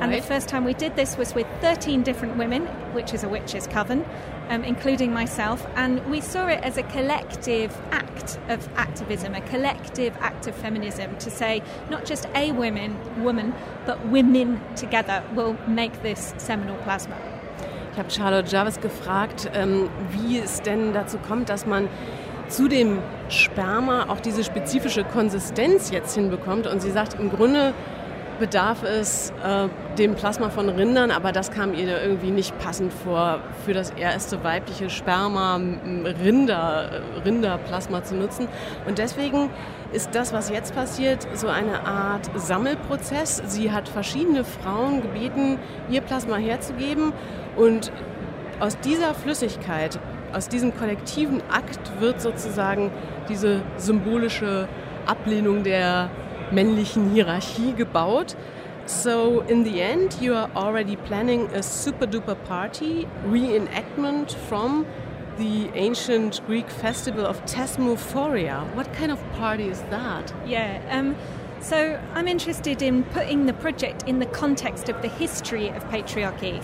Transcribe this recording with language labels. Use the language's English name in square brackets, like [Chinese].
[English] And the first time we did this was with 13 different women, which is a witch's coven, including myself. And we saw it as a collective act of activism, a collective act of feminism, to say not just a woman, but women together will make this seminal plasma. [German] Ich habe Charlotte Jarvis gefragt, wie es denn dazu kommt, dass man zu dem Sperma auch diese spezifische Konsistenz jetzt hinbekommt. Und sie sagt, im Grunde bedarf es dem Plasma von Rindern, aber das kam ihr irgendwie nicht passend vor, für das erste weibliche Sperma Rinderplasma zu nutzen. Und deswegen ist das, was jetzt passiert, so eine Art Sammelprozess. Sie hat verschiedene Frauen gebeten, ihr Plasma herzugeben, und aus dieser Flüssigkeit, aus diesem kollektiven Akt, wird sozusagen diese symbolische Ablehnung der männlichen Hierarchie gebaut. [English] So in the end, you are already planning a super duper party reenactment from the ancient Greek festival of Thesmophoria. What kind of party is that? Yeah, so I'm interested in putting the project in the context of the history of patriarchy.